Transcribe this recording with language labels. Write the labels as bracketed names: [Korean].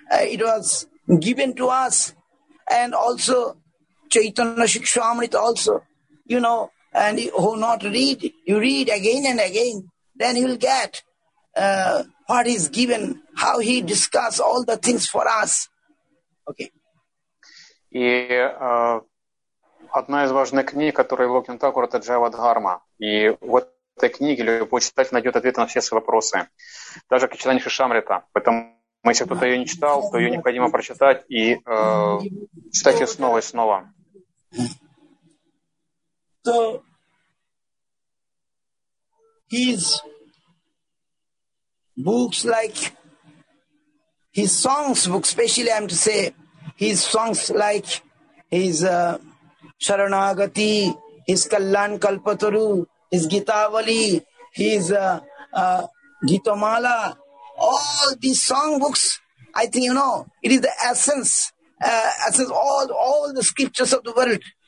[English] It was given to us. And also Chaitanya Shikshamrita also, and who not read, you read again and again, then you will get what is given, how he discuss all the things for us. Okay. [Russian] И одна из важных книг, которую Бхактивинода Тхакура, это Джайва Дхарма. И в этой книге любой читатель найдет ответы на все свои вопросы. Даже как Чайтанья Шикшамрита. Поэтому, если кто-то ее не читал, то ее необходимо прочитать и читать ее снова и снова. [English] So, he's books like his songs book, especially I'm to say his songs like his Sharanagati, his Kallan Kalpataru, his Gitavali, his Gitamala, all these song books, I think it is the essence all the scriptures of the world.